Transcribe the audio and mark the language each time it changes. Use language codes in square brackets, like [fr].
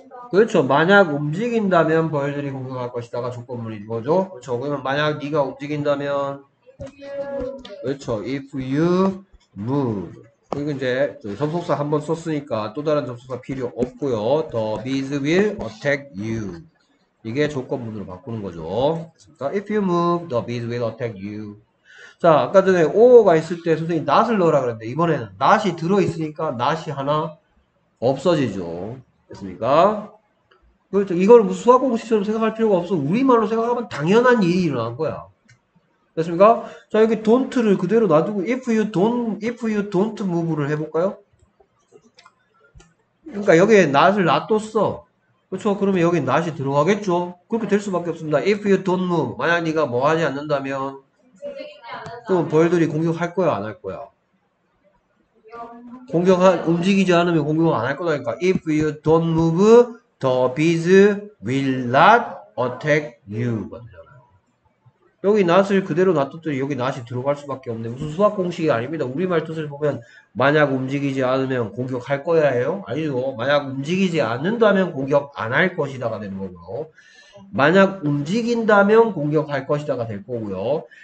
[ko] 그렇죠. 만약 움직인다면, 벌들이 공격할 것이다가 조건문인 거죠? 그렇죠. 그러면, 만약 네가 움직인다면, 그렇죠. [en] If you move. [ko] 그리고 이제 접속사 한번 썼으니까 또 다른 접속사 필요 없고요. [en] The bees will attack you. [ko] 이게 조건문으로 바꾸는 거죠. [en] 자, If you move, the bees will attack you. [ko] 자, 아까 전에 or가 있을 때 선생님이 not을 넣으라 그랬는데 이번에는 not이 들어있으니까 not이 하나 없어지죠. 됐습니까? 그렇죠. 이걸 무슨 수학 공식처럼 생각할 필요가 없어. 우리말로 생각하면 당연한 일이 일어난 거야. 됐습니까? 자, 여기 don't를 그대로 놔두고, [en] if you don't move [ko] 를 해볼까요? 그러니까 여기에 not을 놔뒀어. 그렇죠? 그러면 여기 not이 들어가겠죠? 그렇게 될 수밖에 없습니다. [en] If you don't move. [ko] 만약 네가 뭐 하지 않는다면, 그럼 벌들이 공격할 거야, 안할 거야? 움직이지 않으면 공격 안할 거다니까. [en] If you don't move, the bees will not attack you. [ko] 여기 not을 그대로 놔뒀더니 여기 not이 들어갈 수밖에 없네. 무슨 수학 공식이 아닙니다. 우리말 뜻을 보면 만약 움직이지 않으면 공격할 거야예요. 아니죠. 만약 움직이지 않는다면 공격 안할 것이다가 되는 거고요. 만약 움직인다면 공격할 것이다가 될 거고요.